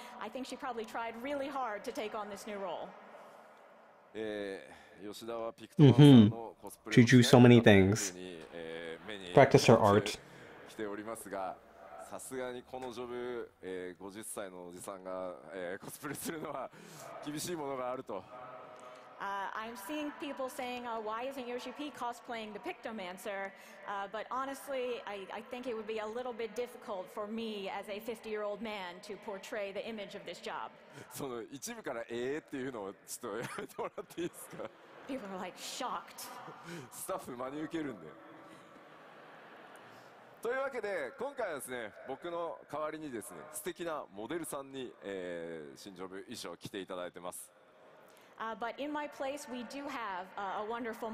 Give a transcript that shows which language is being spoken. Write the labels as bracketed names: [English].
[English] I think she probably tried really hard to take on this new role. [Japanese] 吉田はピクトマンのコスプレ。 [English] She drew so many things. Practice her art. [Japanese] しておりますが、さすがにこのジョブ、50歳のおじさんが、コスプレするのは厳しいものがあると。 [English] I'm seeing people saying, oh, why isn't Yoshi P cosplaying the Pictomancer? But honestly, I think it would be a little bit difficult for me as a 50-year-old man to portray the image of this job. People are like shocked. [Japanese] Staff, 真に受けるんで。というわけで今回はですね僕の代わりにですね素敵なモデルさんに、新ジョブ衣装を着ていただいてます。 [English] But in my place we do have a wonderful model.